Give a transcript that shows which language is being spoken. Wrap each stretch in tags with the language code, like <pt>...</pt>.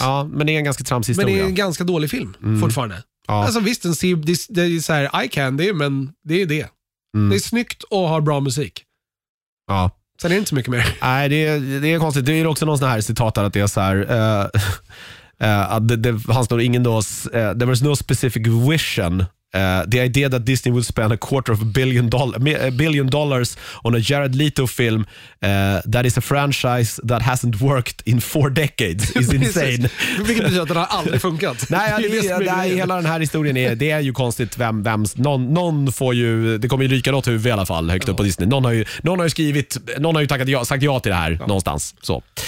<sv>Ja, men det är en ganska tramsig historia. Men det är en ganska dålig film, fortfarande. Ja. Alltså visst, den ser, det är så här</sv> <en>eye candy,</en> <sv>men det är det. Mm. Det är snyggt och har bra musik. Ja. Sen är det inte så mycket mer. Nej, det är konstigt. Det är också någon sån här citat där att det är så här... det fanns nog ingen då...</sv> <en>there was no specific vision... the idea that Disney would spend a quarter of $1 billion on a Jared Leto film that is a franchise that hasn't worked in 4 decades is insane.</en> <sv>Vilket betyder att det har aldrig funkat. Nej, hela den här historien är, det är ju konstigt vem någon får ju, det kommer ju ryka något huvud i alla fall högt upp på Disney. Någon har ju skrivit, någon har ju sagt ja till det här någonstans. Så.</sv>